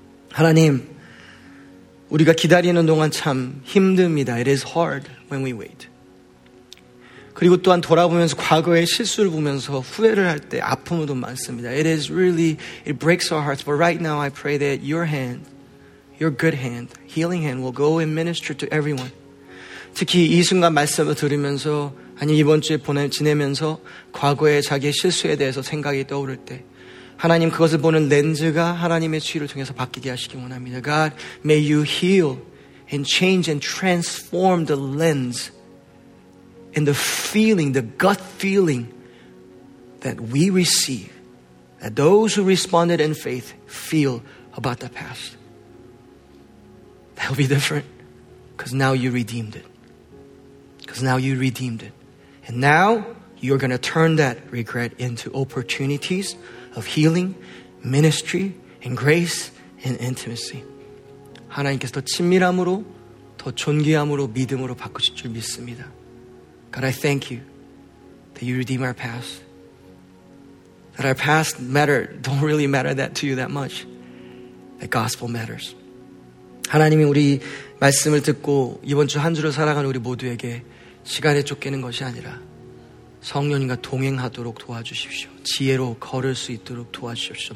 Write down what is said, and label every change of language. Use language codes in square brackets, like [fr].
[ko] 하나님, 우리가 기다리는 동안 참 힘듭니다. [en] It is hard when we wait. [ko] 그리고 또한 돌아보면서 과거의 실수를 보면서 후회를 할 때 아픔도 많습니다. [en] It is really, it breaks our hearts. But right now I pray that your hand, your good hand, healing hand will go and minister to everyone. [ko] 특히 이 순간 말씀을 들으면서 아니 이번 주에 지내면서 과거의 자기의 실수에 대해서 생각이 떠오를 때 하나님 그것을 보는 렌즈가 하나님의 치유를 통해서 바뀌게 하시기 원합니다. [en] God, may you heal and change and transform the lens and the feeling, the gut feeling that we receive, that those who responded in faith feel about the past. That'll be different because now you redeemed it. Because now you redeemed it. And now you're going to turn that regret into opportunities of healing, ministry, and grace, and intimacy. [ko] 하나님께서 더 친밀함으로, 더 존귀함으로, 믿음으로 바꾸실 줄 믿습니다. [en] God, I thank you that you redeem our past. That our past matter don't really matter that to you that much. That gospel matters. [ko] 하나님이 우리 말씀을 듣고 이번 주 한 주를 살아가는 우리 모두에게 시간에 쫓기는 것이 아니라 성령님과 동행하도록 도와주십시오. 지혜로 걸을 수 있도록 도와주십시오.